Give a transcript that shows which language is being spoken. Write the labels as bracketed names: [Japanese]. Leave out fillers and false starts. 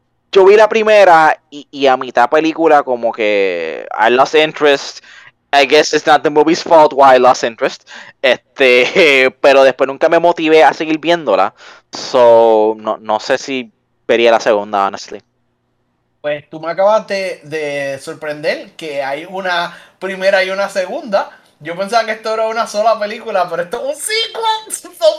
[Spanish] Yo vi la primera y a mitad película como que [English] I lost interest. I guess it's not the movie's fault why I lost interest. [Spanish] Pero después nunca me motivé a seguir viéndola. So, no sé si vería la segunda, [English] honestly. [Spanish] Pues tú me acabas de sorprender que hay una primera y una segunda. Yo pensaba que esto era una sola película, pero esto es un sequel.